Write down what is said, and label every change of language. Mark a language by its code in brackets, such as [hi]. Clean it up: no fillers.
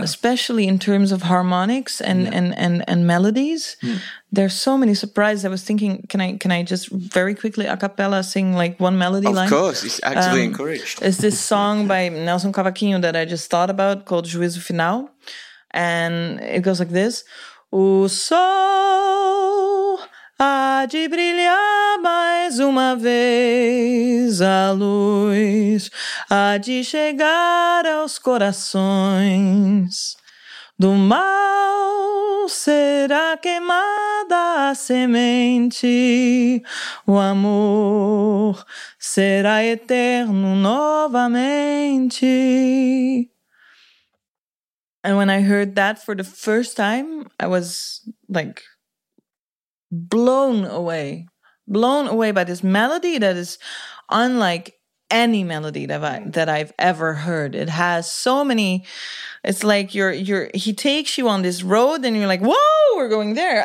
[en] Especially in terms of harmonics and melodies. Yeah. There's so many surprises. I was thinking, can I just very quickly a cappella sing like one melody of line? Of course, it's actually encouraged. It's this song by Nelson Cavaquinho that I just thought about called Juízo Final. And it goes like this. [pt] O sol há de brilhar mais uma vez, a luz há de chegar aos corações. Do mal será queimada a semente, o amor será eterno novamente. [en] And when I heard that for the first time, I was like blown away by this melody that is unlike any melody that I've ever heard. It has so many, it's like you're he takes you on this road and you're like, whoa, we're going there.